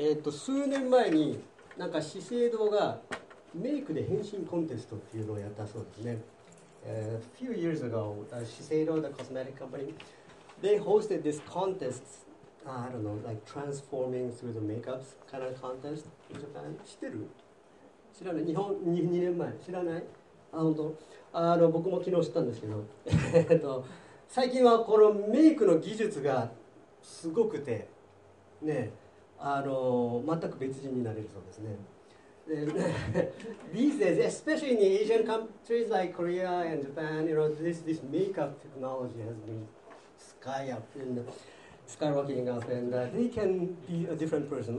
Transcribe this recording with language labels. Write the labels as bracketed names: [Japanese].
[Japanese] 数年前になんか資生堂がメイクで変身コンテストっていうのをやったそうですね。 [English] Few years ago, Shiseido, the cosmetic company, they hosted this contest. I don't know, like transforming through the makeups kind of contest in Japan. [Japanese] 知ってる？知らない。日本に2年前。知らない？あ、本当。僕も昨日知ったんですけど、最近はこのメイクの技術がすごくて、ね、全く別人になれるそうですね。 [English] These days, especially in the Asian countries like Korea and Japan, you know, this makeup technology has been skyrocketing up, and they can be a different person.